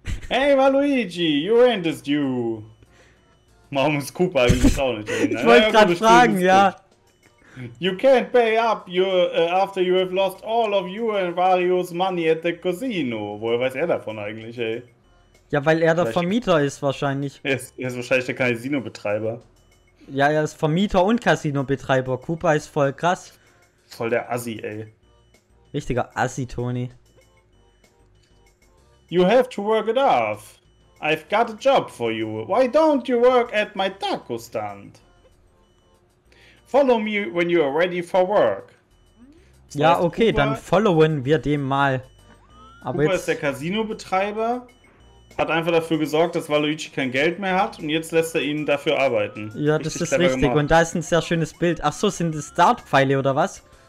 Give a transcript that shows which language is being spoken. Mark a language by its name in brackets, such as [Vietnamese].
[English] Hey, Waluigi, you ain't this you. [German] Warum ist Koopa eigentlich auch nicht drin? Ich wollte gerade fragen, ja. [English] You can't pay up after you have lost all of you and Wario's money at the casino. [German] Woher weiß er davon eigentlich, ey? Ja, weil er vielleicht der Vermieter ist wahrscheinlich. Er ist wahrscheinlich der Casino-Betreiber. Ja, er ist Vermieter und Casino-Betreiber. Koopa ist voll krass. Voll der Assi, ey. Richtiger Assi, Tony. [English] You have to work it off. I've got a job for you. Why don't you work at my taco stand? Follow me when you are ready for work. [German] So ja, okay, Koopa, dann followen wir dem mal. Aber Koopa ist der Casino-Betreiber, hat einfach dafür gesorgt, dass Waluigi kein Geld mehr hat und jetzt lässt er ihn dafür arbeiten. Ja, richtig, das ist richtig gemacht. Und da ist ein sehr schönes Bild. Ach so, sind es Startpfeile oder was?